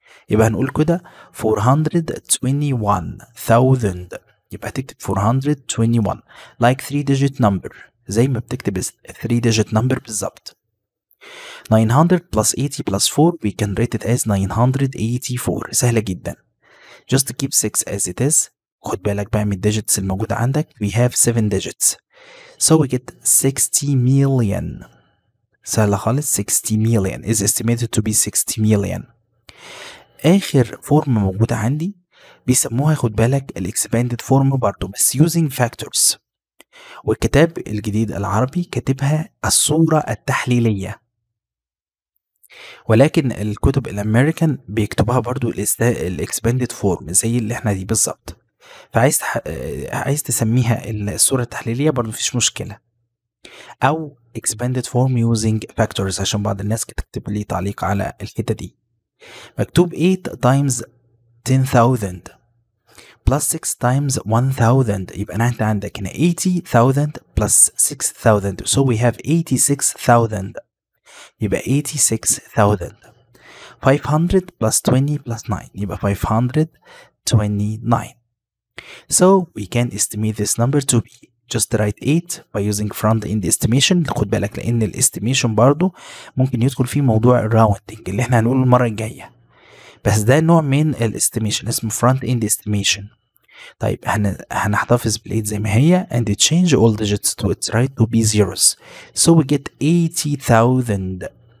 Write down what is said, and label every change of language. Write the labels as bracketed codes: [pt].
[ar] يبقى هنقول كده 421,000. يبقى هتكتب 421 [en] like 3 digit number, [ar] زي ما بتكتب 3 digit number بالظبط. [en] 900 plus 80 plus 4, we can write it as 984. [ar] سهلة جدا. [en] Just keep 6 as it is. [ar] خد بالك بقى من الديجيتس الموجودة عندك. [en] We have 7 digits. So we get 60 million. [ar] سهلة خالص. [en] 60 million is estimated to be 60 million. [ar] آخر فورم موجودة عندي بيسموها, خد بالك, الإكسباندد فورم برضو بس using factors. والكتاب الجديد العربي كتبها الصورة التحليلية, ولكن الكتب الأمريكان بيكتبها برضو الإكسباندد فورم زي اللي احنا دي بالظبط. فعايز عايز تسميها الصورة التحليلية برضو فيش مشكلة, أو [en] expanded form using factors, [ar] عشان بعض الناس كتكتب لي تعليق على الحتة دي. [en] مكتوب 8 times 10,000 plus 6 times 1,000. [ar] يبقى أنا عندك هنا [en] 80,000 plus 6,000, so we have 86,000. [ar] يبقى 86,000. [en] 500 plus 20 plus 9, يبقى 529. So we can estimate this number to be, just write 8 by using front end estimation. [ar] خد بالك لان الاستيميشن برضو ممكن يدخل فيه موضوع الراوندنج اللي احنا هنقوله المره الجايه, بس ده نوع من الاستيميشن اسمه [en] front end estimation. [ar] طيب هنحتفظ بال8 زي ما هي [en] and change all digits to its right to be zeros, so we get 80,000.